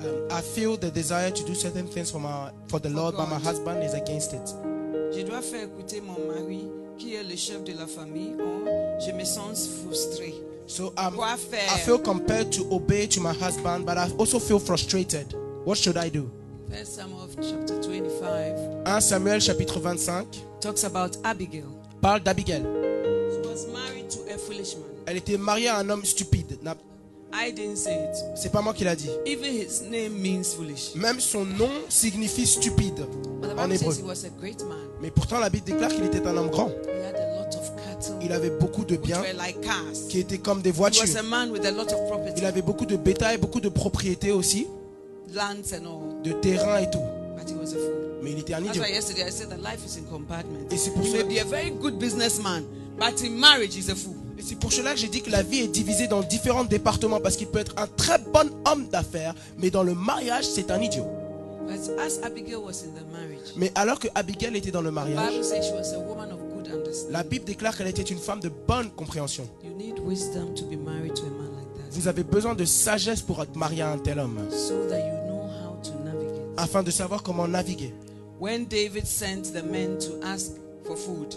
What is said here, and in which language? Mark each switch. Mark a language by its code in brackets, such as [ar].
[en] I feel the desire to do certain things for the Lord, but my husband is against it. [fr] Je dois faire écouter mon mari, qui est le chef de la famille, or je me sens frustré. [en] So I feel compelled to obey to my husband, but I also feel frustrated. What should I do? 1 Samuel chapter 25. [fr] 1 Samuel chapitre 25. [en] Talks about Abigail. [fr] Parle d'Abigail. [en] She was married to a foolish man. [fr] Elle était mariée à un homme stupide. [en] I didn't say it. [fr] C'est pas moi qui l'a dit. [en] Even his name means foolish. [fr] Même son nom signifie stupide en hébreu. [en] He was a great man. [fr] Mais pourtant la Bible déclare qu'il était un homme grand. [en] He had a lot of cattle. [fr] il avait beaucoup de biens [en] like [fr] qui étaient comme des voitures. [en] He was a man with a lot of property. [fr] Il avait beaucoup de bétail, beaucoup de propriétés aussi, [en] lands and all. [fr] De terrain et tout. [en] But he was a fool. [fr] Mais il était un idiot. [en] That's why yesterday I said that life is in compartments. [fr] Et c'est pour cela. [en] He may be a very good businessman, but in marriage he's a fool. [fr] Et c'est pour cela que j'ai dit que la vie est divisée dans différents départements parce qu'il peut être un très bon homme d'affaires, mais dans le mariage c'est un idiot. [en] But as Abigail was in the marriage, [fr] mais alors que Abigail était dans le mariage, [en] the Bible says she was a woman of good understanding. [fr] La Bible déclare qu'elle était une femme de bonne compréhension. [en] You need wisdom to be married to a man like that. [fr] Vous avez besoin de sagesse pour être marié à un tel homme. [en] So that you know how to navigate. [fr] Afin de savoir comment naviguer. [en] When David sent the men to ask for food,